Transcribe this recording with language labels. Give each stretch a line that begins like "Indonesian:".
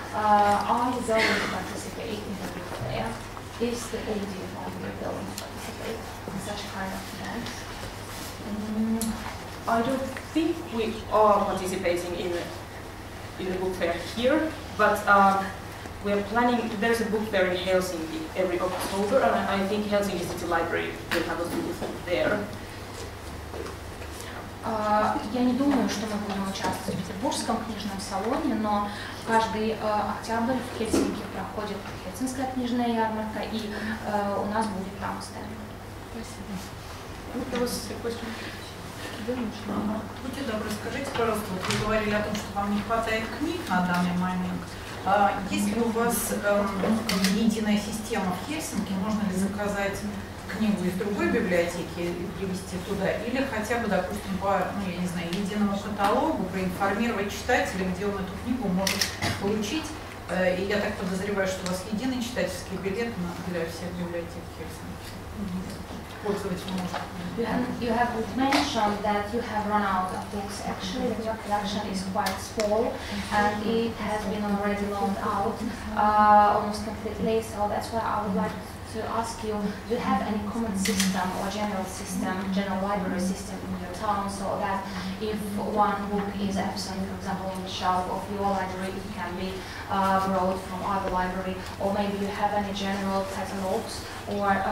English: Are you going to participate in the book fair? Is the idea of you going to participate in such kind of events? I don't think we are participating in the book fair here, but we are planning. There's a book fair in Helsinki every October, and I think Helsinki City Library will have a booth there.
Russian: Я не думаю, что мы будем участвовать в Петербургском книжном салоне, но каждый октябрь в Хельсинки проходит Хельсинская книжная ярмарка, и у нас будет там стенд. Спасибо. Будьте добры, скажите, пожалуйста, вот вы говорили о том, что вам не хватает книг на данный момент. Есть ли у вас единая система в Хельсинки? Можно ли заказать книгу из другой библиотеки и привезти туда, или хотя бы, допустим, по, ну, я не знаю, единому каталогу проинформировать читателя, где он эту книгу может получить. И я так подозреваю, что у вас единый читательский билет для всех библиотек Хельсинки.
English: You have mentioned that you have run out of books, actually, that your collection is quite small and it has been already loaned out almost completely. So that's why I would like to ask you, do you have any common system or general system, general library system in your town, so that if one book is absent, for example, in the shelf of your library, it can be borrowed from other library, or maybe you have any general catalogs or